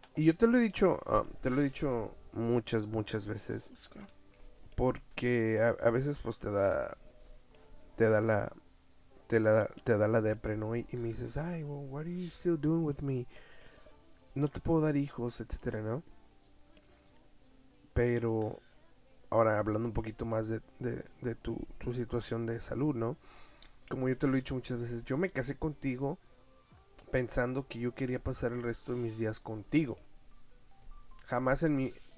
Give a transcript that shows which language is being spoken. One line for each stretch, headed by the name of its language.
Spanish: Yo te lo he dicho muchas, muchas veces. Porque a veces pues te da la depre, ¿no? Y me dices, ay,
English: well, what are you still doing with me?
Spanish: No te puedo dar hijos, etcétera, ¿no? Pero ahora hablando un poquito más de tu situación de salud, ¿no? Como yo te lo he dicho muchas veces, yo me casé contigo pensando que yo quería pasar el resto de mis días contigo. Jamás en mi...